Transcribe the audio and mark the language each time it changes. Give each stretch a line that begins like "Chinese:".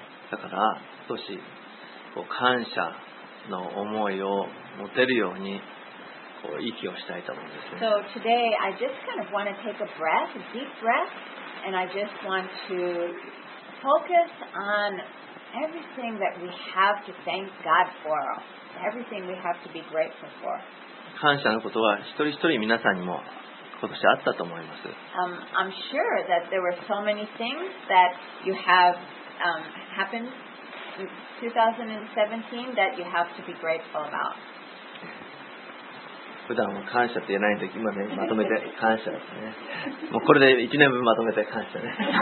Japanese: だから少しこう感謝の思いを持てるようにこう息をしたいと思うんですね。
English: So today I just kind of want to take a breath, a deep breath, and I just want to focus on everything that we have to thank God for. Everything we have to be grateful for.
Japanese: 感謝のことは一人一人皆さんにも今年あったと思います。
English: I'm sure that there were so many things that you have happened in 2017 that you have to be grateful about.
Japanese: 普段は感謝って言えないんで今ねまとめて感謝ですね。もうこれで1年分まとめて感謝ね。